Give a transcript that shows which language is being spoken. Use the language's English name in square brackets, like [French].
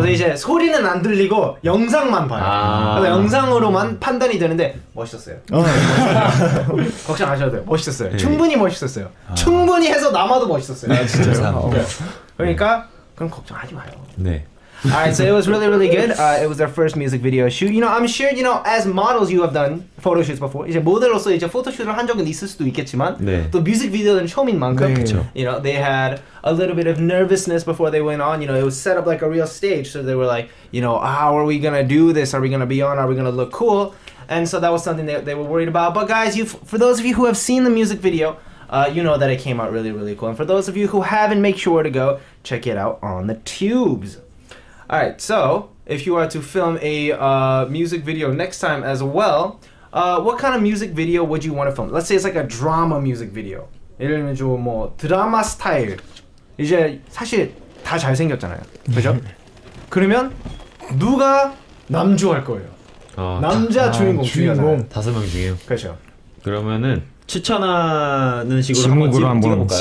[Korean] 그래서 이제 소리는 안 들리고 영상만 봐요. 아, 그래서 영상으로만 판단이 되는데 멋있었어요. 걱정하셔도 돼요. 멋있었어요. 네. 충분히 멋있었어요. 아, 충분히 해서 남아도 멋있었어요. 아, 진짜요? 네. 그러니까 그럼 걱정하지 마요. 네. [English] Alright, so it was really, really good. It was our first music video shoot. You know, I'm sure, you know, as models, you have done photo shoots before. [Korean] 이제 모델로서 이제 포토샵을 한 적은 있을 수도 있겠지만, 네. 또 뮤직 비디오는 처음인 만큼, 네. [English] you know, they had a little bit of nervousness before they went on. You know, it was set up like a real stage. So they were like, you know, how are we going to do this? Are we going to be on? Are we going to look cool? And so that was something that they were worried about. But guys, for those of you who have seen the music video, you know that it came out really, really cool. And for those of you who haven't, make sure to go check it out on the tubes. Alright, so if you are to film a music video next time as well, what kind of music video would you want to film? Let's say it's like a drama music video. [Korean] 예를 들면 좀 뭐 드라마 스타일. 이제 사실 다 잘생겼잖아요. 그죠? 그러면 누가 남주 할 거예요? 남자 주인공 중요하잖아요. 다섯 명 중에요. 그렇죠. 그러면은 추천하는 식으로 한번 찍어볼까요?